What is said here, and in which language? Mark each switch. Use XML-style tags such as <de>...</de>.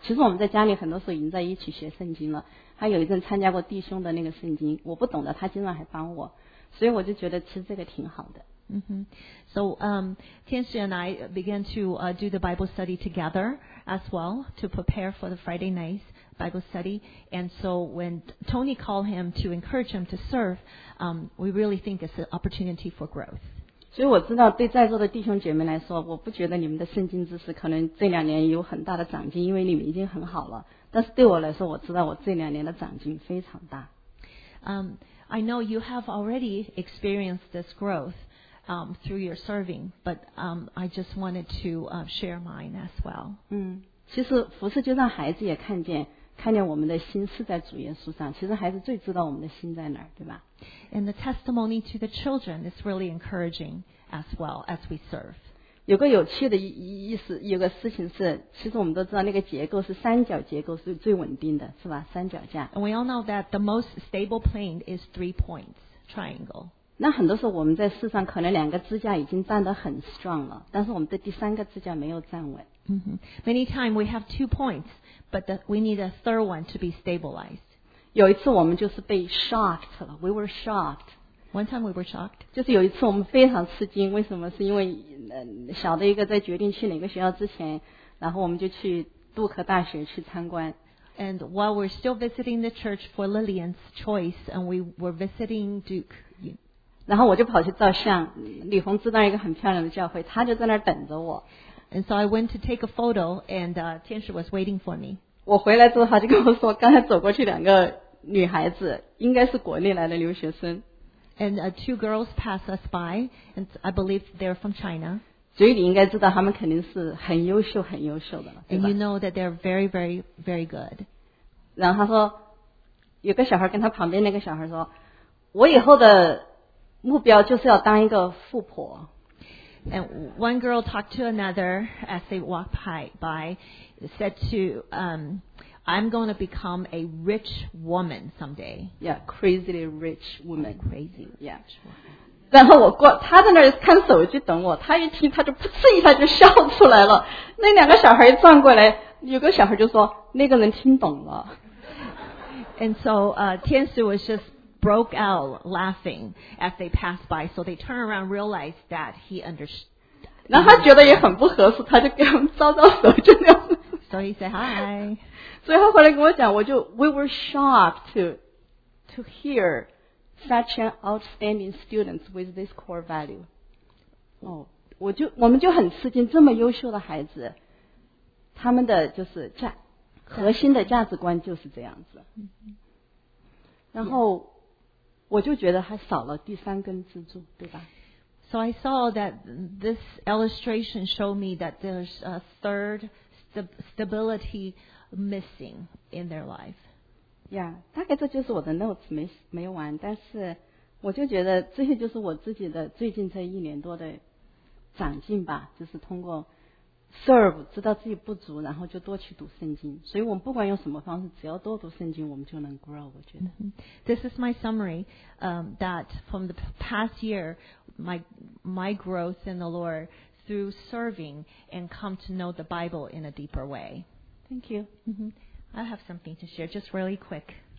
<zh>其实我们在家里很多时候已经在一起学圣经了。他有一阵参加过弟兄的那个圣经，我不懂的，他经常还帮我，所以我就觉得其实这个挺好的。 Mm-hmm.</zh> <en>So, Tianxi and I began to do the Bible study together as well to prepare for the Friday nights. Bible study, and so when Tony called him to encourage him to serve, we really think it's an opportunity for growth.</en> <zh>所以我知道对在座的弟兄姐妹来说，我不觉得你们的圣经知识可能这两年有很大的长进，因为你们已经很好了。但是对我来说，我知道我这两年的长进非常大。</zh> <en>I know you have already experienced this growth through your serving, but I just wanted to share mine as well.</en> <zh>其实服事就让孩子也看见。看见我们的心是在主耶稣上，其实孩子最知道我们的心在哪儿，对吧</zh> <en>？And the testimony to the children is really encouraging as well as we serve.</en> <zh>有个有趣的意思，有个事情是，其实我们都知道那个结构是三角结构是最稳定的，是吧？三角架。</zh> <en>And we all know that the most stable plane is three points triangle.</en> <zh>那很多时候我们在世上可能两个支架已经站得很 strong 了，但是我们的第三个支架没有站稳。</zh> <en>Many times we have two points. But we need a third one to be stabilized.</en> <zh>有一次我们就是被 shocked 了</zh> <en>We were shocked. One time we were shocked.</en> <zh>就是有一次我们非常吃惊，为什么？是因为小的一个在决定去哪个学校之前，然后我们就去杜克大学去参观。</zh> <en>And while we're still visiting the church for Lillian's choice, and we were visiting Duke.</en> <zh>然后我就跑去照相，李红知道一个很漂亮的教会，她就在那儿等着我。</zh> <en>And so I went to take a photo, and Tianxi was waiting for me.</en> <zh>我回来之后，他就跟我说，刚才走过去两个女孩子，应该是国内来的留学生。</zh> <en>And two girls passed us by, and I believe they're from China.</en> <zh>所以你应该知道，他们肯定是很优秀、很优秀的。</zh> <en>And you know that they're very, very, very good.</en> <zh>然后他说，有个小孩跟他旁边那个小孩说，我以后的目标就是要当一个富婆。</zh> <en>And one girl talked to another as they walked by, said to, I'm going to become a rich woman someday. Yeah, crazily rich woman. Oh, crazy. Yeah.</en> <zh>然后我过，他在那儿看手机等我，他一听他就噗嗤一下就笑出来了。那两个小孩一转过来，有个小孩就说，那个人听懂了。</zh> <en>And so, Tianxi was just,broke out laughing as they passed by, so they turn around and realize that he understood.</en> <zh>然后他觉得也很不合适，他就给他们招招手，就那样。</zh> <en>So he said hi.</en> <zh>所以他回来跟我讲，我就</zh> <en>we were shocked to hear such an outstanding students with this core value.</en> <zh>我们就很吃惊，这么优秀的孩子，他们的就是核心的价值观就是这样子。然后。Yeah. 我就觉得还少了第三根支柱，对吧</zh> <en>？So I saw that this illustration showed me that there's a third stability missing in their life.</en> <zh>Yeah, 大概这就是我的 notes 没完，但是我就觉得这些就是我自己的最近这一年多的长进吧，就是通过 serve 知道自己不足，然后就多去读圣经。所以我们不管用什么方式，只要多读圣经，我们就能 grow。我觉得。</zh> <en>This is my summary, that from the past year, my growth in the Lord through serving and come to know the Bible in a deeper way. Thank you. I have something to share, just really quick.</en>